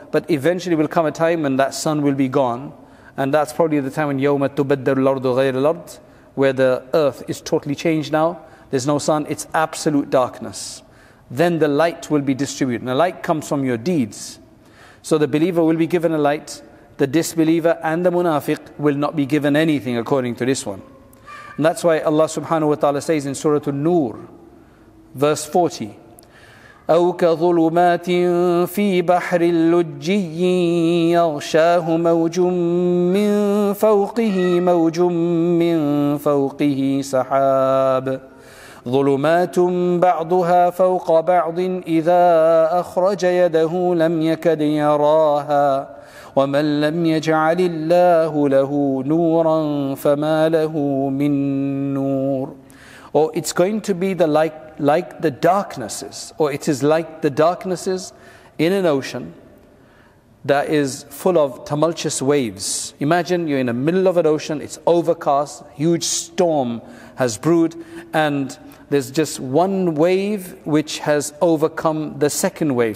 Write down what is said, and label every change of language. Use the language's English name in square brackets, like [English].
[English] But eventually will come a time when that sun will be gone, and that's probably the time when [Arabic] يَوْمَ تُبَدَّرُ الْأَرْضُ غَيْرَ الْأَرْضِ, [English] where the earth is totally changed now, there's no sun, it's absolute darkness. Then the light will be distributed, and the light comes from your deeds. So the believer will be given a light. The disbeliever and the munafiq will not be given anything according to this one. And that's why Allah subhanahu wa ta'ala says in Surah An-Nur, verse 40, [Arabic] أَوْ كَظُلُمَاتٍ فِي بَحْرِ اللُّجِّيِّ يَغْشَاهُ مَوْجٌ مِّن فَوْقِهِ مَوْجٌ مِّن فَوْقِهِ سَحَابٌ ظُلُمَاتٌ بَعْضُهَا فَوْقَ بَعْضٍ إِذَا أَخْرَجَ يَدَهُ لَمْ يَكَدْ يَرَاهَا وَمَنْ لَمْ يَجْعَلِ اللَّهُ لَهُ نُورًا فَمَا لَهُ مِن نُورٍ. [English] Or it's going to be the like the darknesses, or it is like the darknesses in an ocean that is full of tumultuous waves. Imagine you're in the middle of an ocean, it's overcast, huge storm has brewed, and there's just one wave which has overcome the second wave.